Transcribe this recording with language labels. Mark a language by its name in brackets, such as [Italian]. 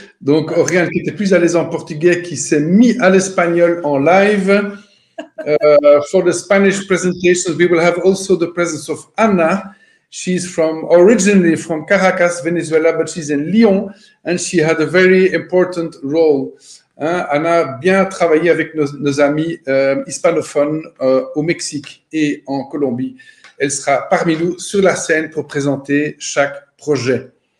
[French] Donc, Oriane, qui était plus à l'aise en portugais, qui s'est mis à l'espagnol en live. [English] For the Spanish presentations, we will have also the presence of Anna. She's from originally from Caracas, Venezuela, but she's in Lyon, and she had a very important role. Hein? [French] Anna a bien travaillé avec nos amis hispanophones au Mexique et en Colombie. Elle sera parmi nous sur la scène pour présenter chaque projet.